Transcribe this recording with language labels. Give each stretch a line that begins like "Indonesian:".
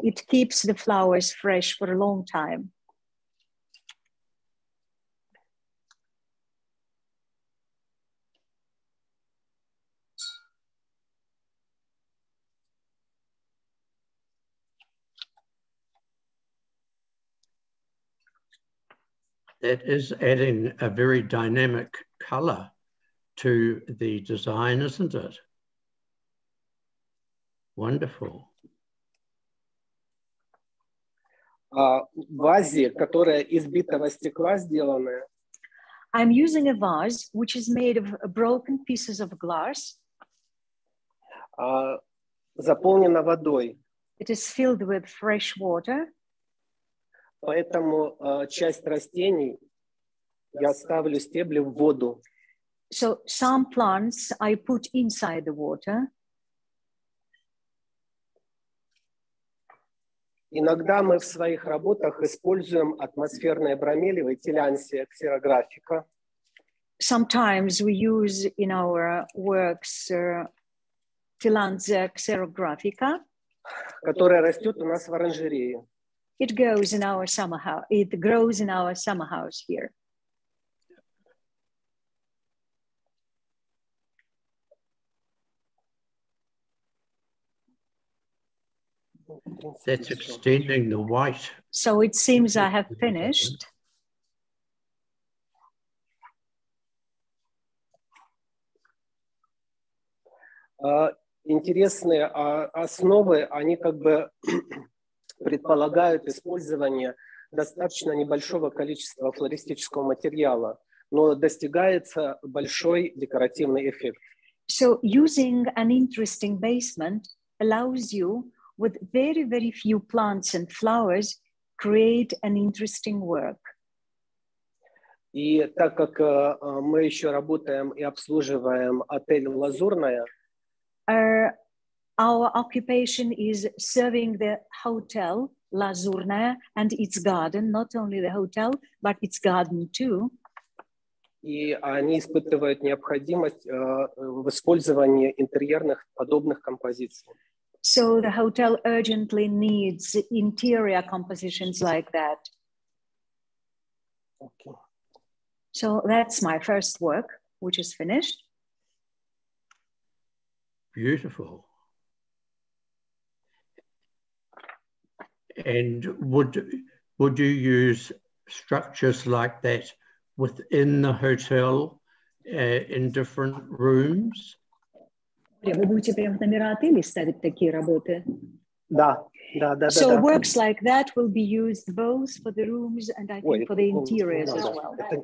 English: It keeps the flowers fresh for a long time. That is adding a very dynamic color to the design, isn't it? Wonderful.
Russian: Вазе, которая из битого стекла сделана.
English: I'm using a vase which is made of broken pieces of glass.
Russian: Заполнена водой.
English: It is filled with fresh water.
Russian: Поэтому часть растений я ставлю стебли в воду.
English: So some plants I put inside the water.
Russian: Иногда мы в своих работах используем атмосферные бромелиевые, телянсия, ксерографика.
English: sometimes we use in our works Tillandsia xerographica,
Russian: которая растет у нас в оранжерее.
English: It goes in our summer house. It grows in our summer house here. That's extending the white. So it seems I have finished.
Russian: Интересные основы, они как бы предполагают использование достаточно небольшого количества флористического материала, но достигается большой декоративный эффект.
English: So using an interesting basement allows you with very, very few plants and flowers create an interesting work.
Russian: И так как мы еще работаем и обслуживаем отель «Лазурная»,
English: Our occupation is serving the hotel Лазурная and its garden, not only the hotel, but its garden too.
Russian: И они испытывают необходимость в использовании интерьерных подобных композиций.
English: So the hotel urgently needs interior compositions like that. Okay. So that's my first work, which is finished. Beautiful. And would you use structures like that within the hotel in different rooms?
Russian: Вы будете прямо в номера отеля ставить такие работы? Да.
English: So works like that will be used both for the rooms and I think for the interiors as well.